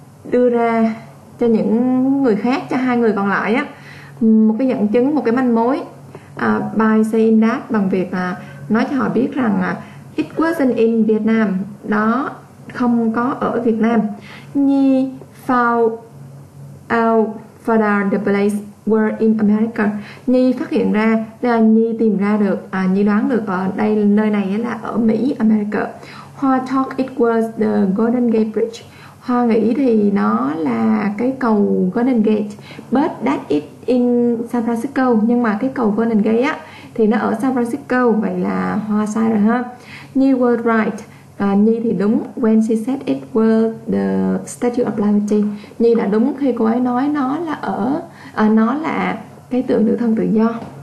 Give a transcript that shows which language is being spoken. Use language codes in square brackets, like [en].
[vi] Đưa ra cho những người khác, cho hai người còn lại á, một cái dẫn chứng, một cái manh mối, [en] by saying that, [vi] bằng việc nói cho họ biết rằng [en] it wasn't in Vietnam, [vi] đó không có ở Việt Nam. [en] Nhi found out further the place were in America. [vi] Nhi phát hiện ra, là Nhi tìm ra được, Nhi đoán được ở đây, nơi này là ở Mỹ, America. [en] Hoa thought it was the Golden Gate Bridge. [vi] Hoa nghĩ thì nó là cái cầu Golden Gate, [en] but that is in San Francisco. [vi] Nhưng mà cái cầu Golden Gate á thì nó ở San Francisco, vậy là Hoa sai rồi ha. [en] Nhi was right, [vi] Nhi thì đúng. [en] When she said it was the Statue of Liberty, [vi] Nhi đã đúng khi cô ấy nói nó là ở nó là cái tượng nữ thần tự do.